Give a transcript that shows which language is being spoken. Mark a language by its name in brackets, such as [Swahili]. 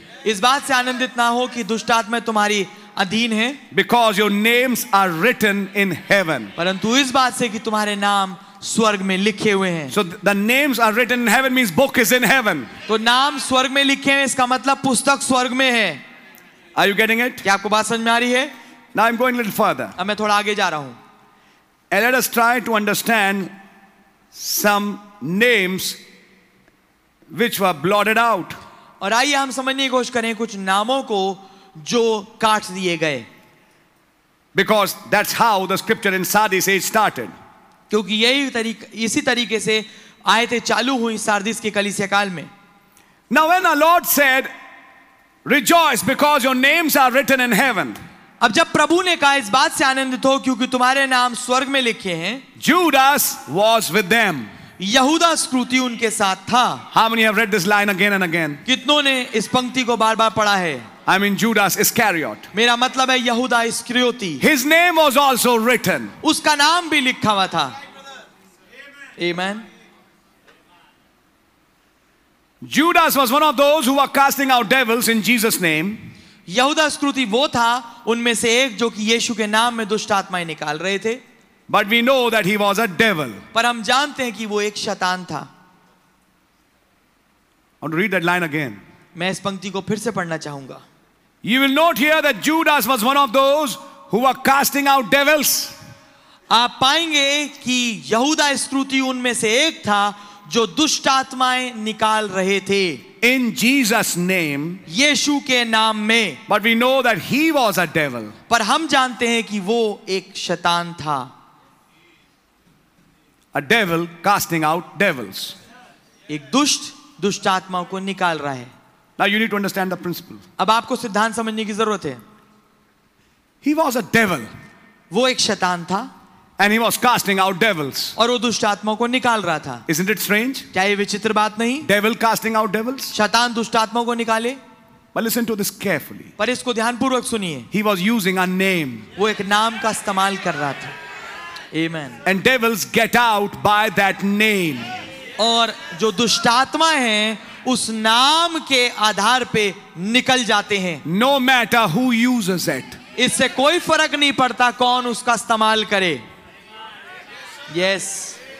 [Hindi] इस बात से आनंदित ना हो कि दुष्ट आत्माएं तुम्हारी अधीन है. [English] Because your names are written in heaven. [Hindi] परंतु इस बात से कि तुम्हारे नाम स्वर्ग में लिखे हुए हैं. [English] So the names are written in heaven means book is in heaven. [Hindi] तो नाम स्वर्ग में लिखे हैं इसका मतलब पुस्तक स्वर्ग में है. [English] Are you getting it? [Hindi] क्या आपको बात समझ में आ रही है? [English] Now I'm going a little further. [Hindi] अब मैं थोड़ा आगे जा रहा हूँ. [English] And let us try to understand some names which were blotted out. [Hindi] और आइए हम समझने की कोशिश करें कुछ नामों को जो काट दिए गए. [English] Because that's how the scripture in Sardis says started. [Hindi] क्योंकि यही इसी तरीके से आयतें चालू हुई सार्दिस के कलीसिया काल में. [English] Now when our Lord said, "Rejoice, because your names are written in heaven." [Hindi] अब जब प्रभु ने कहा इस बात से आनंदित हो क्योंकि तुम्हारे नाम स्वर्ग में लिखे हैं. [English] Judas was with them. [Hindi] यहूदा स्क्रूति उनके साथ था. [English] How many have read this line again and again? [Hindi] कितनों ने इस पंक्ति को बार-बार पढ़ा है? [English] I mean Judas Iscariot. [Hindi] मेरा मतलब है यहूदा इस्करियोती. [English] His name was also written. [Hindi] उसका नाम भी लिखा हुआ था. Amen. [English] Judas was one of those who were casting out devils in Jesus' name. [Hindi] यहूदा स्क्रूति वो था उनमें से एक जो कि यीशु के नाम में दुष्ट आत्माएं निकाल रहे थे. [English] But we know that he was a devil. [Hindi] पर हम जानते हैं कि वो एक शैतान था. [English] I want to read that line again. [Hindi] मैं इस पंक्ति को फिर से पढ़ना चाहूंगा. [English] You will note here that Judas was one of those who were casting out devils. [Hindi] आप पाएंगे कि यहूदा स्क्रूति उनमें से एक था जो दुष्ट आत्माएं निकाल रहे थे. [English] In Jesus' name. [Hindi] यीशु के नाम में. [English] But we know that he was a devil. [Hindi] पर हम जानते हैं कि वो एक शैतान था. [English] A devil casting out devils. [Hindi] एक दुष्ट दुष्ट आत्माओं को निकाल रहा है. [English] Now you need to understand the principle. [Hindi] अब आपको सिद्धांत समझने की जरूरत है. [English] He was a devil. [Hindi] वो एक शैतान था. [English] And he was casting out devils. [Hindi] और वो दुष्ट आत्माओं को निकाल रहा था. [English] Isn't it strange? [Hindi] क्या ये विचित्र बात नहीं? [English] Devil casting out devils. [Hindi] शैतान दुष्ट आत्माओं को निकाले. [English] But listen to this carefully. [Hindi] पर इसको ध्यानपूर्वक सुनिए. [English] He was using a name. [Hindi] वो एक नाम का इस्तेमाल कर रहा था. [English] Amen. And devils get out by that name. [Hindi] और जो दुष्ट आत्माएं हैं उस नाम के आधार पे निकल जाते हैं. [English] No matter who uses it. [Hindi] इससे कोई फर्क नहीं पड़ता कौन उसका इस्तेमाल करे. [English] Yes.